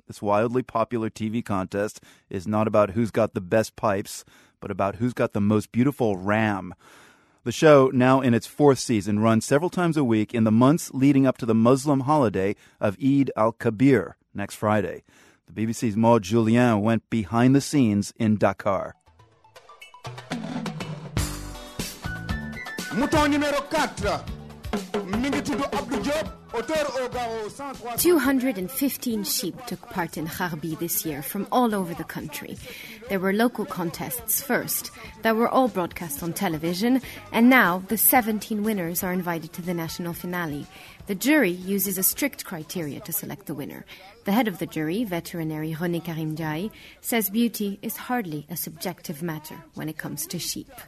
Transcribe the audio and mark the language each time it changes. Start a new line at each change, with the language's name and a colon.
English: This wildly popular TV contest is not about who's got the best pipes, but about who's got the most beautiful ram. The show, now in its fourth season, runs several times a week in the months leading up to the Muslim holiday of Eid al-Kabir next Friday. The BBC's Maud Julien went behind the scenes in Dakar.
French: Mouton numéro 4, Mingitudo Abdou Diop, auteur au Gao 103.
English: 215 sheep took part in Harbi this year from all over the country. There were local contests first that were all broadcast on television, and now the 17 winners are invited to the national finale. The jury uses a strict criteria to select the winner. The head of the jury, veterinary René Karim Jai, says beauty is hardly a subjective matter when it comes to sheep.